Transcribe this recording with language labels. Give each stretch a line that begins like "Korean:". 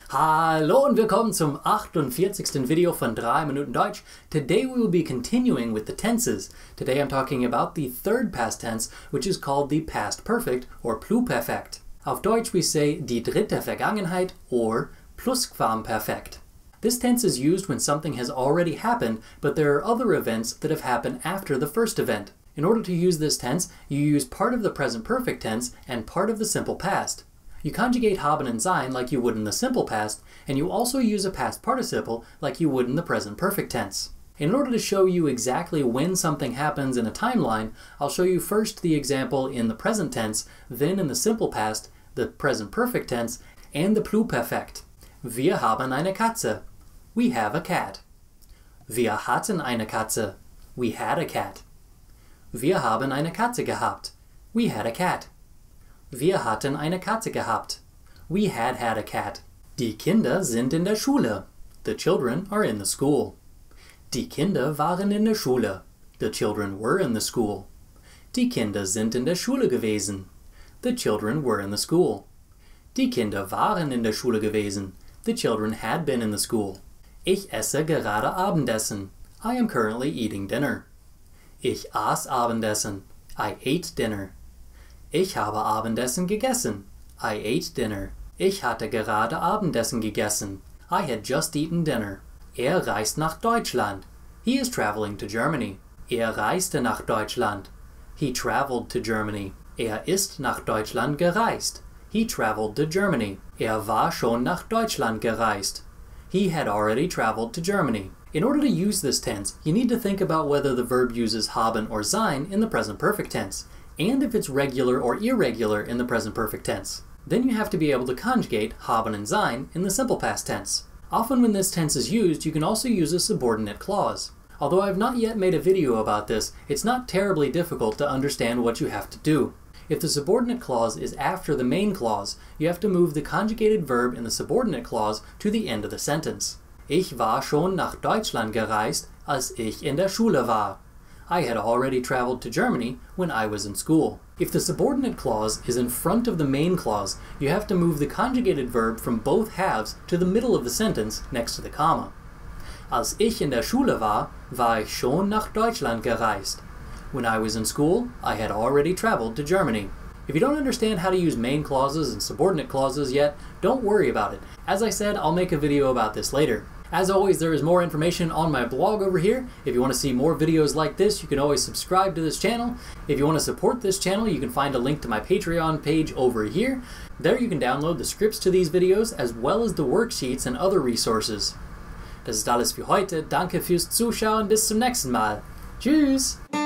German: Hallo und willkommen zum 48. Video von 3 Minuten Deutsch.
English: Today we will be continuing with the tenses. Today I'm talking about the third past tense, which is called the past perfect or pluperfekt.
German: Auf Deutsch
English: we say
German: die dritte Vergangenheit or plusquamperfekt.
English: This tense is used when something has already happened, but there are other events that have happened after the first event. In order to use this tense, you use part of the present perfect tense and part of the simple past. You conjugate haben and sein like you would in the simple past, and you also use a past participle like you would in the present perfect tense. In order to show you exactly when something happens in a timeline, I'll show you first the example in the present tense, then in the simple past, the present perfect tense, and the pluperfekt.
German: Wir haben eine Katze.
English: We have a cat.
German: Wir hatten eine Katze.
English: We had a cat.
German: Wir haben eine Katze gehabt.
English: We had a cat.
German: Wir hatten eine Katze gehabt.
English: We had had a cat.
German: Die Kinder sind in der Schule.
English: The children are in the school.
German: Die Kinder waren in der Schule.
English: The children were in the school.
German: Die Kinder sind in der Schule gewesen.
English: The children were in the school.
German: Die Kinder waren in der Schule gewesen.
English: The children had been in the school.
German: Ich esse gerade Abendessen.
English: I am currently eating dinner.
German: Ich aß Abendessen.
English: I ate dinner.
German: Ich habe Abendessen gegessen.
English: I ate dinner.
German: Ich hatte gerade Abendessen gegessen.
English: I had just eaten dinner.
German: Er reist nach Deutschland.
English: He is traveling to Germany.
German: Er reiste nach Deutschland.
English: He traveled to Germany.
German: Er ist nach Deutschland gereist.
English: He traveled to Germany.
German: Er war schon nach Deutschland gereist.
English: He had already traveled to Germany. In order to use this tense, you need to think about whether the verb uses haben or sein in the present perfect tense, and if it's regular or irregular in the present perfect tense. Then you have to be able to conjugate haben and sein in the simple past tense. Often when this tense is used, you can also use a subordinate clause. Although I've not yet made a video about this, it's not terribly difficult to understand what you have to do. If the subordinate clause is after the main clause, you have to move the conjugated verb in the subordinate clause to the end of the sentence.
German: Ich war schon nach Deutschland gereist, als ich in der Schule war.
English: I had already traveled to Germany when I was in school. If the subordinate clause is in front of the main clause, you have to move the conjugated verb from both halves to the middle of the sentence next to the comma.
German: Als ich in der Schule war, war ich schon nach Deutschland gereist.
English: When I was in school, I had already traveled to Germany. If you don't understand how to use main clauses and subordinate clauses yet, don't worry about it. As I said, I'll make a video about this later. As always, there is more information on my blog over here. If you want to see more videos like this, you can always subscribe to this channel. If you want to support this channel, you can find a link to my Patreon page over here. There you can download the scripts to these videos, as well as the worksheets and other resources.
German: Das ist alles für heute. Danke fürs Zuschauen. Bis zum nächsten Mal. Tschüss!